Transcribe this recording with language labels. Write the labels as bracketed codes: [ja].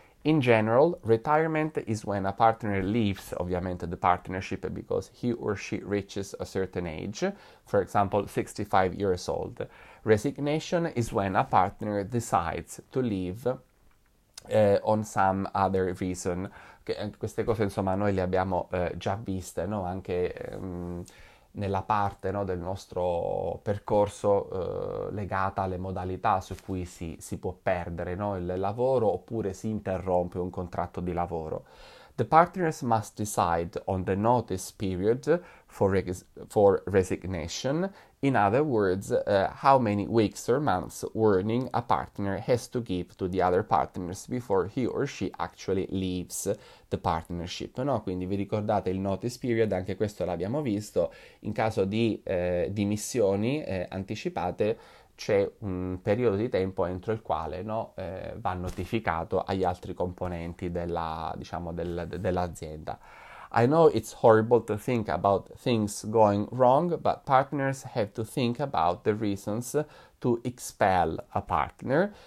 [en] In general, retirement is when a partner leaves, ovviamente, the partnership because he or she reaches a certain age, for example, 65 years old. Resignation is when a partner decides to leave on some other reason. [it] Okay, queste cose, insomma, noi le abbiamo già viste, no? Anche nella parte, no, del nostro percorso legata alle modalità su cui si può perdere, no, il lavoro oppure si interrompe un contratto di lavoro. [en] The partners must decide on the notice period for resignation. In other words, how many weeks or months warning a partner has to give to the other partners before he or she actually leaves the partnership, no? [it] Quindi vi ricordate il notice period, anche questo l'abbiamo visto, in caso di dimissioni anticipate c'è un periodo di tempo entro il quale, no, va notificato agli altri componenti della, diciamo, dell'azienda. [en] I know it's horrible to think about things going wrong, but partners have to think about the reasons to expel a partner.